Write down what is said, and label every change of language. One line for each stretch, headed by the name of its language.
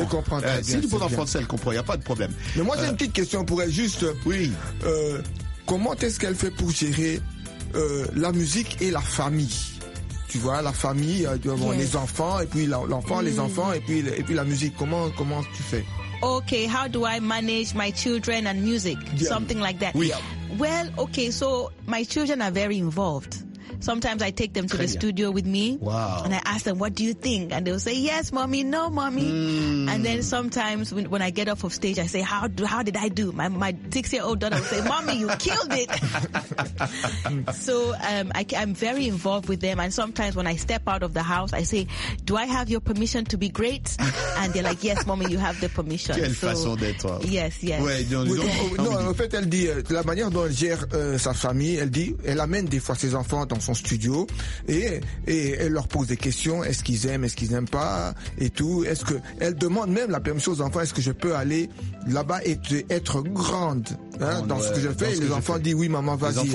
French: Elle comprend. Si tu poses en français, elle comprend. Il n'y a pas de problème. Mais moi, j'ai une petite question pour elle. Juste. Oui. Comment est-ce qu'elle fait pour gérer la musique et la famille? Tu vois, la famille, les enfants, et puis l'enfant, les enfants, et puis la musique. Comment tu fais?
English: Okay, how do I manage my children and music? Yeah. Something like that.
French: Oui.
English: Well, okay, so my children are very involved. Sometimes I take them to the studio with me. Wow. And I ask them, what do you think? And they'll say, yes, mommy, no, mommy. Mm. And then sometimes when I get off of stage, I say, how did I do? My 6-year-old daughter will say, mommy, you killed it. So I'm very involved with them. And sometimes when I step out of the house, I say, do I have your permission to be great? And they're like, yes, mommy, you have the permission.
French: Quelle façon d'être.
English: Yes, yes.
French: En fait, elle dit, la manière dont elle gère sa famille, elle dit, elle amène des fois ses enfants dans son studio et elle leur pose des questions, est-ce qu'ils aiment, est-ce qu'ils n'aiment pas et tout, est-ce que elle demande même la permission aux enfants, est-ce que je peux aller là-bas et être grande dans ce que je fais, et les enfants disent oui maman vas-y,